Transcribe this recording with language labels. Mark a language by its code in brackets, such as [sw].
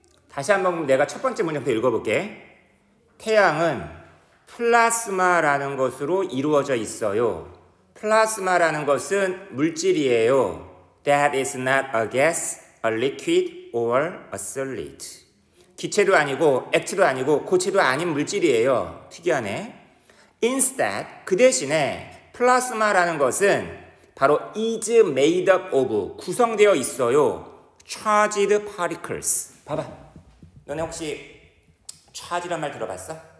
[ko] 다시 한번 내가 첫 번째 문장부터 읽어볼게. 태양은 플라스마라는 것으로 이루어져 있어요. 플라스마라는 것은 물질이에요. [en] That is not a gas, a liquid, or a solid. [ko] 기체도 아니고 액체도 아니고 고체도 아닌 물질이에요. 특이하네. Instead, 그 대신에 플라스마라는 것은 바로 [en] is made up of, [ko] 구성되어 있어요. [en] Charged particles. [ko] 봐봐. 너네 혹시 charge란 말 들어봤어?